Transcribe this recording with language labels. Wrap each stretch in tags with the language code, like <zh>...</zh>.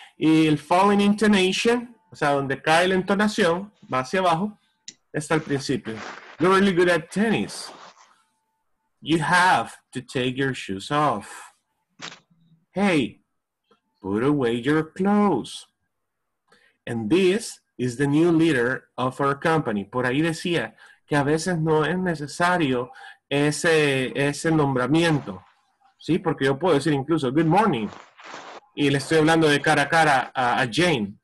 <es>Y el falling intonation, o sea, donde cae la entonación, va hacia abajo, está al principio.</es> <en>You're really good at tennis. You have to take your shoes off. Hey, put away your clothes. And this is the new leader of our company.</en> <es>Por ahí decía que a veces no es necesario ese nombramiento. ¿Sí? Porque yo puedo decir incluso,</es> <en>good morning.</en> <es>Y le estoy hablando de cara a cara a Jane.</es>